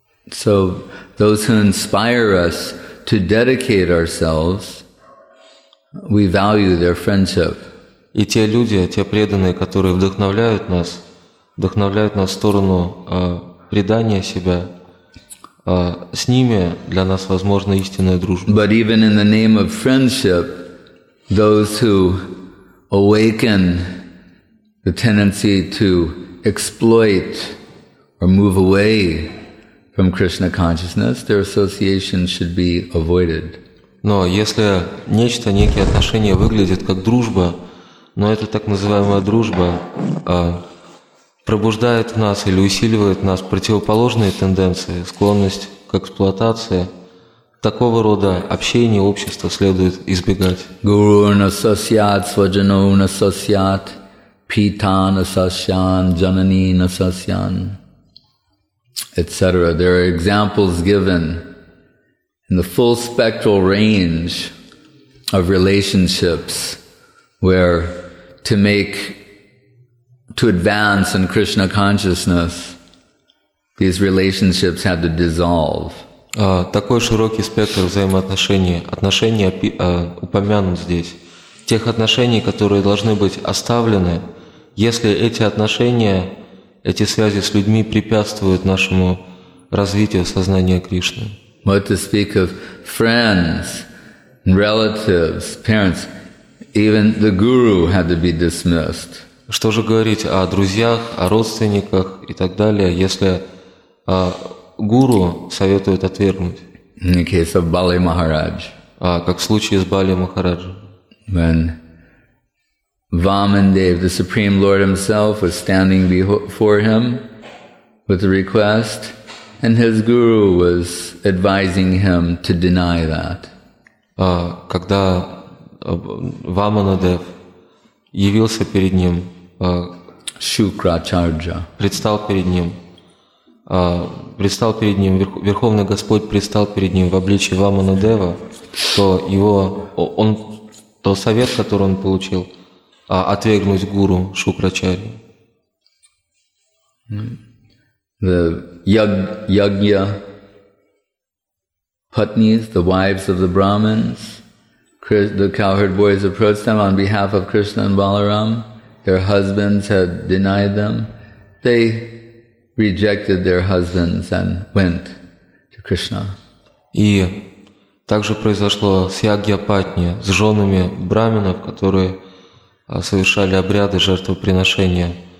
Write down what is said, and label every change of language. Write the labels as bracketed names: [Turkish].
[English] So those who inspire us to dedicate ourselves, we value their friendship. [Russian] И те люди, те преданные, которые вдохновляют нас в сторону предания себя, с ними для нас возможна истинная дружба. [English] But even in the name of friendship, those who awaken the tendency to exploit or move away from Krishna consciousness, their association should be avoided. [Russian] Но если нечто, некие отношения выглядят как дружба, но эта так называемая дружба пробуждает в нас или усиливает в нас противоположные тенденции, склонность к эксплуатации, такого рода общения общества следует избегать. [Sanskrit] Guru na sasyat, svajano na sasyat, pita na sasyan, janani na sasyan, etc. [English] There are examples given in the full spectral range of relationships where to advance in Krishna consciousness, these relationships had to dissolve. [Russian] Такой широкий спектр взаимоотношений, отношения упомянут здесь, тех отношений, которые должны быть оставлены, если эти отношения, эти связи с людьми препятствуют нашему развитию сознания Кришны. [English] What to speak of friends, relatives, parents, even the guru had to be dismissed. [Russian] Что же говорить о друзьях, о родственниках и так далее, если гуру советуют отвергнуть? [English] In the case of Bali Maharaj. [Russian] Как в случае с Бали Махараджем. [English] When Vamandev, the Supreme Lord himself, was standing before him with a request, and his guru was advising him to deny that. [Russian] Когда Ваманадев явился перед ним, Шукрачарджа предстал перед ним, Верховный Господь предстал перед ним в обличии Ваманадева, то совет, который он получил, отвергнуть гуру Шукрачарджа. [English] The Yajna Patnis, the wives of the Brahmins, the cowherd boys approached them on behalf of Krishna and Balaram. Their husbands had denied them. They rejected their husbands and went to Krishna. [Russian] И также произошло с Ягья Патни, с женами браминов, которые совершали обряды жертвоприношения.